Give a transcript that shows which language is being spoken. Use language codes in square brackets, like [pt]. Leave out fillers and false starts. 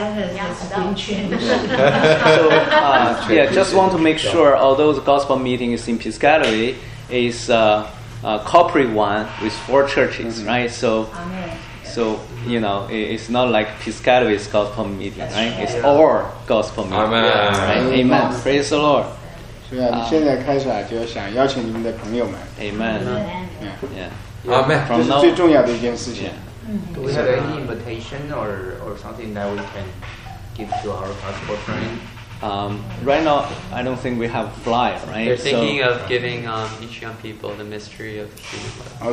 [en] yeah, just want to make sure, although the gospel meeting is in Piscataway, it's a corporate one with 4 churches, right? So, you know, it's not like Piscataway's gospel meeting, right? It's all gospel meeting. Amen. Right? Amen. Praise the Lord. [zh] 是啊，你现在开始啊，就要想邀请你们的朋友们。 [en] Amen。 [zh] 阿门。这是最重要的一件事情。 [en] Do we have any invitation or something that we can give to our passport friend? Right now, I don't think we have flyer, right? They're thinking of giving each young people the mystery of the human.